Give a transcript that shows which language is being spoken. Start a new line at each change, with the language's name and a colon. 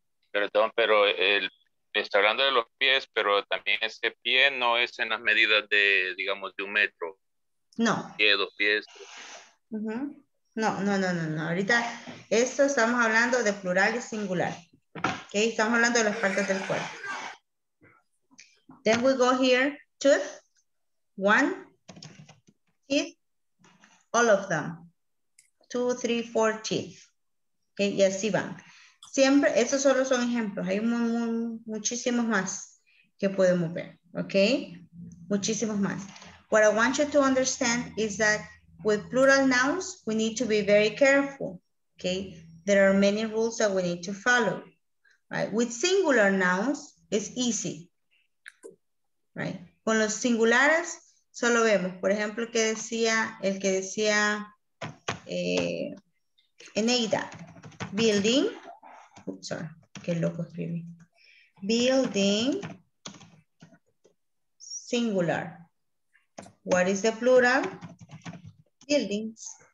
Spanish: Perdón, pero él está hablando de los pies, pero también ese pie no es en las medidas de, digamos, de un metro. No. Pie, dos pies. No. Ahorita, esto estamos hablando de plural y singular. Okay, estamos hablando de las partes del cuerpo.
English: Then we go here, tooth, one, teeth, all of them. 2, 3, 4 teeth. Okay,
Spanish: y así van. Siempre, estos solo son ejemplos. Hay muchísimos más que podemos ver, okay? Muchísimos más.
English: What I want you to understand is that with plural nouns, we need to be very careful, okay? There are many rules that we need to follow, right? With singular nouns, it's easy, right?
Spanish: Con los singulares, solo vemos, por ejemplo, que decía, el que decía Eneida, building.
English: Oops, sorry,
Spanish: qué loco escribí.
English: Building, singular. What is the plural? Buildings.